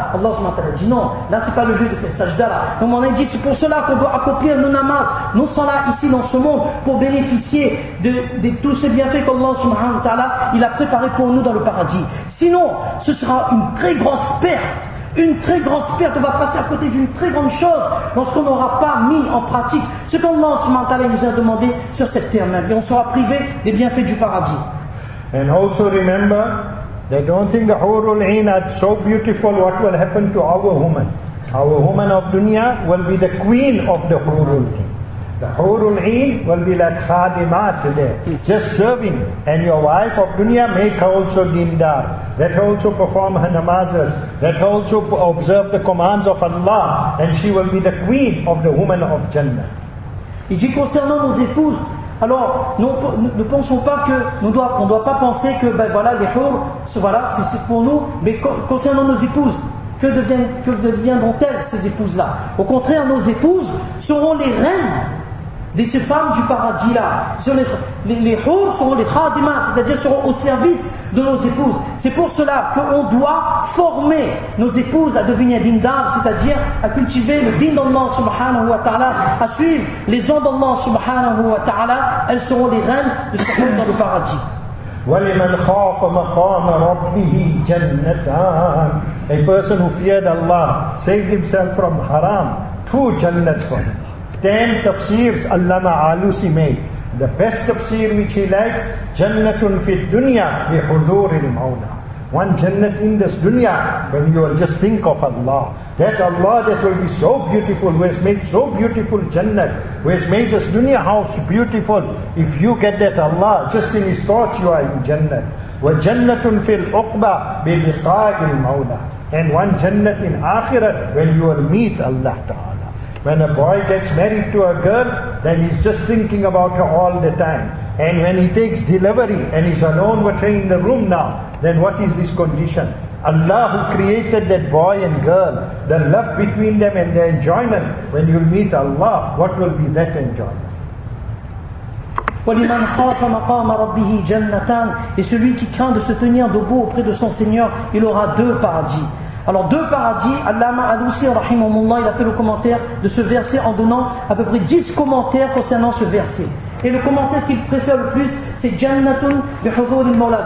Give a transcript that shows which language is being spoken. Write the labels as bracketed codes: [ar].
[fr] Allah subhanahu wa ta'ala dit non, là c'est pas le lieu de faire le sajda là. Comme on a dit, c'est pour cela qu'on doit accomplir nos namaz, nos salats ici dans ce monde, pour bénéficier de tous ces bienfaits qu'Allah subhanahu wa ta'ala il a préparé pour nous dans le paradis. Sinon, ce sera une très grosse perte. Une très grosse perte, on va passer à côté d'une très grande chose lorsqu'on n'aura pas mis en pratique ce qu'Allah subhanahu wa ta'ala nous a demandé sur cette terre même. Et on sera privé des bienfaits du paradis. [en] And also remember, they don't think the Hurul Ain are so beautiful, what will happen to our woman? Our woman of dunya will be the queen of the Hurul Ain. The Hurul Ain will be like Khadimat today, just serving. And your wife of dunya, make her also dindar. Let her also perform her namazas. Let her also observe the commands of Allah. And she will be the queen of the woman of Jannah. [fr] Et si concernant nos épouses, alors, nous ne pensons pas que, on ne doit pas penser que, ben voilà, les hurs, voilà, c'est pour nous, mais concernant nos épouses, que deviendront-elles, ces épouses-là? Au contraire, nos épouses seront les reines de ces femmes du paradis-là. Les hurs seront les khadimas, c'est-à-dire seront au service de nos épouses. C'est pour cela qu'on doit former nos épouses à devenir dindar, c'est-à-dire à cultiver le din d'Allah subhanahu wa ta'ala, à suivre les ondes d'Allah subhanahu wa ta'ala. Elles seront les reines de ce monde dans le paradis. [ar] وَلِمَنْ خَافَ مَقَامَ رَبِّهِ جَنَّتَانِ. [en] A person who feared Allah saved himself from haram, two jannats for him. 10 tafsirs Allama Alusi made. The best tafsir which he likes, [ar] Jannatun fi dunya bi huduril mawla. [en] One jannat in this dunya, when you will just think of Allah. That Allah that will be so beautiful, who has made so beautiful jannat, who has made this dunya house beautiful. If you get that Allah, just in his thoughts you are in jannat. [ar] Wa jannatun fil uqba bi liqa'il mawla. [en] And one jannat in akhirat, when you will meet Allah Ta'ala. When a boy gets married to a girl, then he's just thinking about her all the time. And when he takes delivery and he's alone with her in the room now, then what is his condition? Allah who created that boy and girl, the love between them and their enjoyment, when you meet Allah, what will be that enjoyment? [ar] وَلِمَنْ خَافَ مَقَامَ رَبِّهِ جَنَّتَانِ. [fr] Et celui qui craint de se tenir debout auprès de son Seigneur, il aura deux paradis. Alors deux paradis, Allama Alusi rahimahullah, il a fait le commentaire de ce verset en donnant à peu près 10 commentaires concernant ce verset. Et le commentaire qu'il préfère le plus, c'est [ar] Jannatun bi huduril mawla.